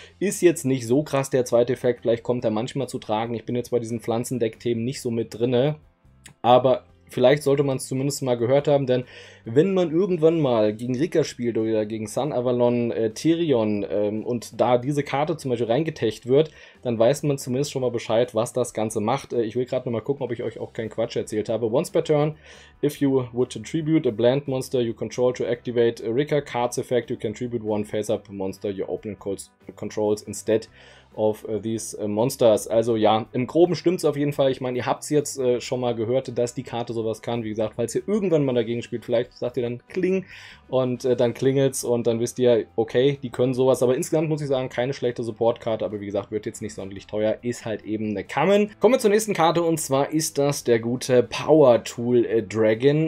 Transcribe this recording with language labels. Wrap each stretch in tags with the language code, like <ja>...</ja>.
<de>Ist jetzt nicht so krass der zweite Effekt, vielleicht kommt er manchmal zu tragen. Ich bin jetzt bei diesen Pflanzendeck-Themen nicht so mit drinne, aber vielleicht sollte man es zumindest mal gehört haben, denn wenn man irgendwann mal gegen Rika spielt oder gegen Sun Avalon, Tyrion und da diese Karte zum Beispiel reingetecht wird, dann weiß man zumindest schon mal Bescheid, was das Ganze macht. Ich will gerade nochmal gucken, ob ich euch auch keinen Quatsch erzählt habe.</de> <en>Once per turn, if you would tribute a bland monster you control to activate a Rika card's effect, you can tribute one face-up monster your opponent controls instead of these monsters.</en> <de>Also ja, im Groben stimmt es auf jeden Fall. Ich meine, ihr habt es jetzt schon mal gehört, dass die Karte sowas kann. Wie gesagt, falls ihr irgendwann mal dagegen spielt, vielleicht sagt ihr dann Kling und dann klingelt's und dann wisst ihr, okay, die können sowas. Aber insgesamt muss ich sagen, keine schlechte Supportkarte, aber wie gesagt, wird jetzt nicht sonderlich teuer. Ist halt eben eine Common. Kommen wir zur nächsten Karte und zwar ist das der gute Power Tool Dragon.</de>